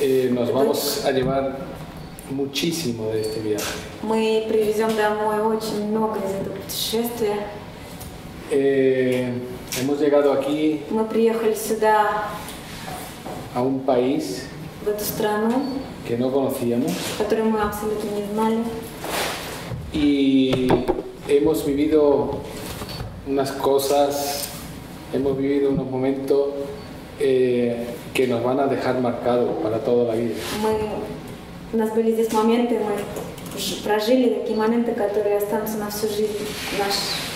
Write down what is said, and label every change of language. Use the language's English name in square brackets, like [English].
[Spanish] Nos vamos a llevar muchísimo de este viaje. [Russian] Мы привезем домой очень много из этого путешествия. [Spanish] Hemos llegado aquí. [Russian] Мы приехали сюда. [Spanish] A un país. [Russian] В эту страну. [Spanish] Que no conocíamos. [Russian] Которую мы абсолютно не знали. [Spanish] Y hemos vivido unas cosas. Hemos vivido unos momentos que nos van a dejar marcados para toda la vida. [Russian] У нас были здесь моменты, мы прожили такие моменты, которые останутся на всю жизнь наши.